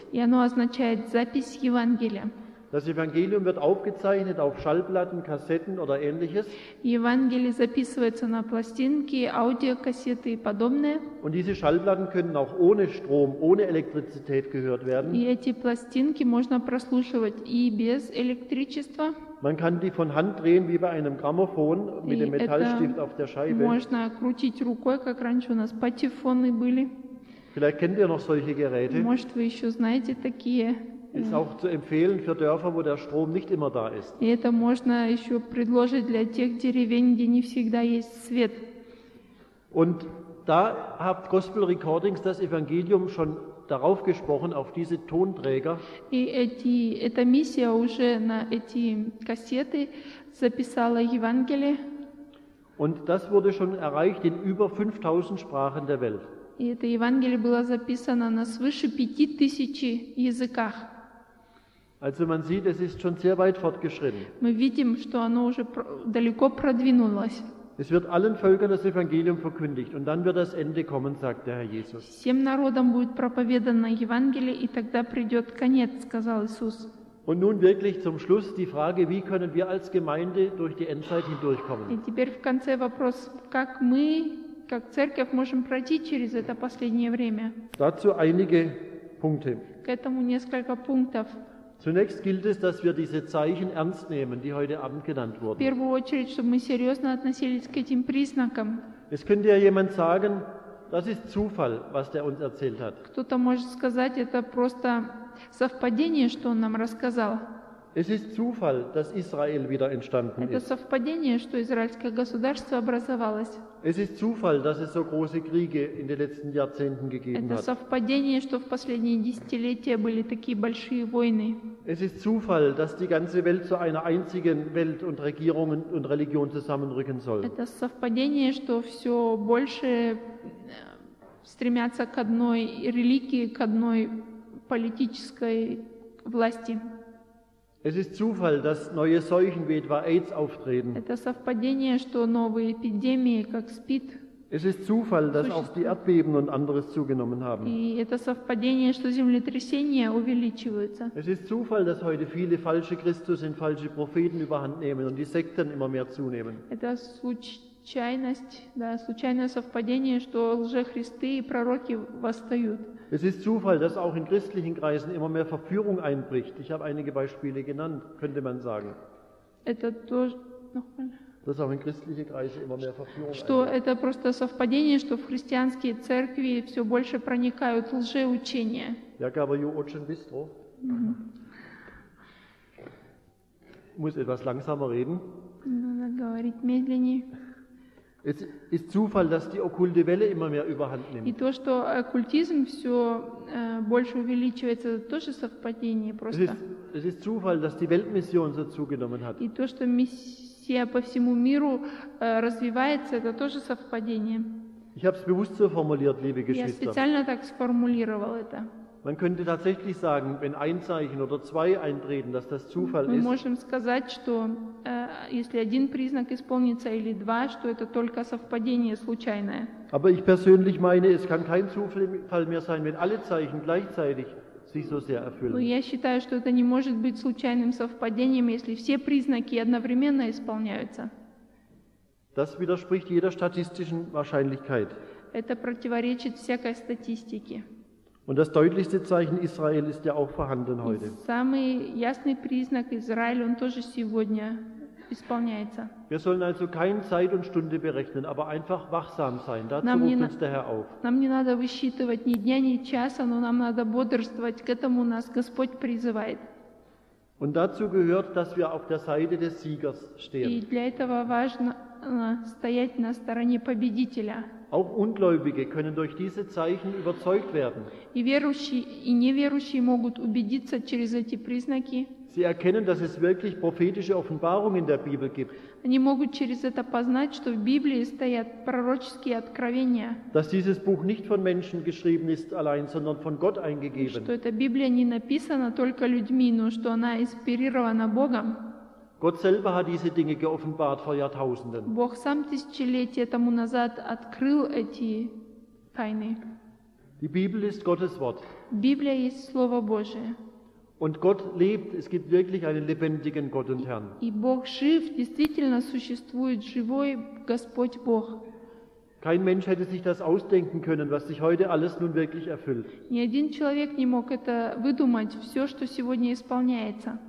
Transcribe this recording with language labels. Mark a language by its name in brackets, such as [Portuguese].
[Russian] И оно означает запись Евангелия. [German] Das Evangelium wird aufgezeichnet auf Schallplatten, Kassetten oder ähnliches. [Russian] Евангелие записывается на пластинки, аудиокассеты и подобное. [German] Und diese Schallplatten können auch ohne Strom, ohne Elektrizität gehört werden. [Russian] И эти пластинки можно прослушивать и без электричества. [German] Man kann die von Hand drehen wie bei einem Grammophon mit dem Metallstift auf der Scheibe. [Russian] Можно крутить рукой, как раньше у нас патефоны были. [German] Vielleicht kennt ihr noch solche Geräte. [Russian] Может, вы еще знаете такие. [German] Ist auch zu empfehlen für Dörfer, wo der Strom nicht immer da ist. [Russian] И это можно еще предложить для тех деревень, где не всегда есть свет. [German] Und da hat Gospel Recordings das Evangelium schon darauf gesprochen, auf diese Tonträger. [Russian] И эта миссия уже на эти кассеты записала Евангелие. [German] Und das wurde schon erreicht in über 5000 Sprachen der Welt. [Russian] И это Евангелие было записано на свыше 5000 языках. [German] Also man sieht, es ist schon sehr weit fortgeschritten. [Russian] Мы видим, что оно уже далеко продвинулось. [German] Es wird allen Völkern das Evangelium verkündigt und dann wird das Ende kommen, sagt der Herr Jesus. [Russian] Всем народам будет проповедано Евангелие, и тогда придет конец, сказал Иисус. [German] Und nun wirklich zum Schluss die Frage, wie können wir als Gemeinde durch die Endzeit hindurchkommen? [Russian] И теперь в конце вопрос, как мы, как церковь, можем пройти через это последнее время? [German] Dazu einige Punkte. [Russian] К этому несколько пунктов. [German] Zunächst gilt es, dass wir diese Zeichen ernst nehmen, die heute Abend genannt wurden. [Russian] В первую очередь, чтобы мы серьезно относились к этим признакам. [German] Es könnte ja jemand sagen, das ist Zufall, was der uns erzählt hat. [Russian] Кто-то может сказать, это просто совпадение, что он нам рассказал. [German] Es ist Zufall, dass Israel wieder entstanden ist. [Russian] Это совпадение, что израильское государство образовалось. [German] Es ist Zufall, dass es so große Kriege in den letzten Jahrzehnten gegeben hat. [Russian] Это совпадение, что в последние десятилетия были такие большие войны. [German] Es ist Zufall, dass die ganze Welt zu einer einzigen Welt und Regierung und Religion zusammenrücken soll. [Russian] Это совпадение, что все больше стремятся к одной религии, к одной политической власти. [German] Es ist Zufall, dass neue Seuchen wie etwa AIDS auftreten. [Russian] Это совпадение, что новые эпидемии, как СПИД. [German] Es ist Zufall, dass auch die Erdbeben und anderes zugenommen haben. [Russian] И это совпадение, что землетрясения увеличиваются. [German] Es ist Zufall, dass heute viele falsche Christus und falsche Propheten überhand nehmen und die Sekten immer mehr zunehmen. [Russian] Это случайное совпадение, что лжехристы и пророки восстают. [German] Es ist Zufall, dass auch in christlichen Kreisen immer mehr Verführung einbricht. Ich habe einige Beispiele genannt, könnte man sagen. Dass auch in christliche Kreise immer mehr Verführung einbricht. [Russian] Это просто совпадение, что в христианские церкви все больше проникают лжеучения. [German] Ja, aber [English] you [Russian] очень быстро. [German] Muss etwas langsamer reden. [Russian] Надо говорить медленнее. [German] Es ist Zufall, dass die okkulte Welle immer mehr überhand nimmt. [Russian] И то, что оккультизм всё больше увеличивается, это тоже совпадение просто. [German] Es ist Zufall, dass die Weltmission so zugenommen hat. [Russian] И то, что миссия по всему миру развивается, это тоже совпадение. [German] Ich habe es bewusst so formuliert, liebe Geschwister. [Russian] Я специально так сформулировал это. [German] Man könnte tatsächlich sagen, wenn ein Zeichen oder zwei eintreten, dass das Zufall ist. [Russian] Мы можем сказать, что если один признак исполнится или два, что это только совпадение случайное. [German] Aber ich persönlich meine, es kann kein Zufall mehr sein, wenn alle Zeichen gleichzeitig sich so sehr erfüllen. [Russian] Я считаю, что это не может быть случайным совпадением, если все признаки одновременно исполняются. [German] Das widerspricht jeder statistischen Wahrscheinlichkeit. [Russian] Это противоречит всякой статистике. [German] Und das deutlichste Zeichen Israel ist ja auch vorhanden heute. [Russian] Самый ясный признак Израиль, он тоже сегодня исполняется. [German] Wir sollen also keine Zeit und Stunde berechnen, aber einfach wachsam sein. Dazu ruft uns der Herr auf. [Russian] Нам не надо высчитывать ни дня, ни часа, но нам надо бодрствовать. К этому нас Господь призывает. [German] Und dazu gehört, dass wir auf der Seite des Siegers stehen. [Russian] И для этого важно стоять на стороне победителя. [German] Auch Ungläubige können durch diese Zeichen überzeugt werden. [Russian] И верующие, и неверующие могут убедиться через эти признаки. [German] Sie erkennen, dass es wirklich prophetische Offenbarungen in der Bibel gibt. [Russian] Они могут через это познать, что в Библии стоят пророческие откровения. [German] Dass dieses Buch nicht von Menschen geschrieben ist allein, sondern von Gott eingegeben. [Russian] Что эта Библия не написана только людьми, но что она инспирирована Богом. [German] Gott selber hat diese Dinge geoffenbart vor Jahrtausenden. [Russian] Бог сам тысячелетия тому назад открыл эти тайны. [German] Die Bibel ist Gottes Wort. [Russian] Библия есть Слово Божие. [German] Und Gott lebt, es gibt wirklich einen lebendigen Gott und Herrn. [Russian] И Бог жив, действительно существует живой Господь Бог. [German] Kein Mensch hätte sich das ausdenken können, was sich heute alles nun wirklich erfüllt. [Russian] Ни один человек не мог это выдумать, все, что сегодня исполняется.